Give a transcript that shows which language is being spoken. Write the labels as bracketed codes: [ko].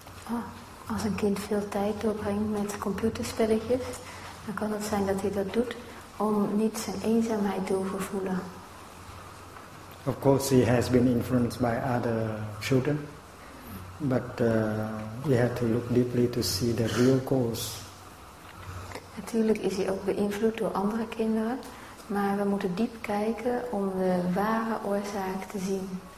[nl] Oh, als een kind veel tijd doorbrengt met computerspelletjes. Dan kan het zijn dat hij dat doet om niet zijn eenzaamheid te overvoelen. [en] Of course he has been influenced by other children, but he had to look deeply to see the real cause. [nl] Natuurlijk is hij ook beïnvloed door andere kinderen, maar we moeten diep kijken om de ware oorzaak te zien.